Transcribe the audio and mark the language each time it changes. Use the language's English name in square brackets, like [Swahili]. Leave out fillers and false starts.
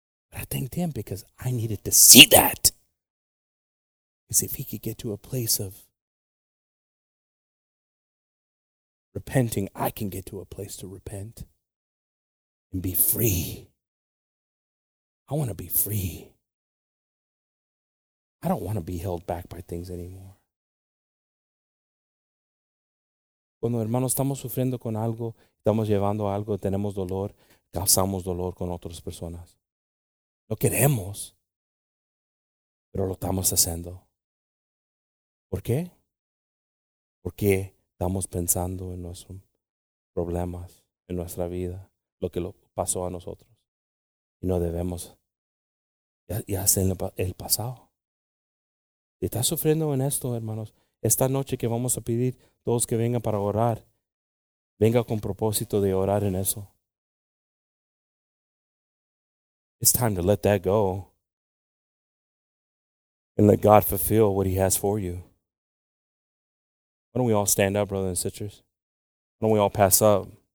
[English] But I thanked him because I needed to see that. Because if he could get to a place of repenting, I can get to a place to repent. And be free. I want to be free. I don't want to be held back by things anymore. [Spanish] Cuando hermanos estamos sufriendo con algo, estamos llevando algo, tenemos dolor, causamos dolor con otras personas. No queremos, pero lo estamos haciendo. ¿Por qué? Porque estamos pensando en nuestros problemas, en nuestra vida, lo que lo pasó a nosotros. Y no debemos ya hacer el pasado. Si estás sufriendo en esto, hermanos, esta noche que vamos a pedir todos que vengan para orar, venga con propósito de orar en eso. [English] It's time to let that go and let God fulfill what he has for you. Why don't we all stand up, brothers and sisters? Why don't we all pass up?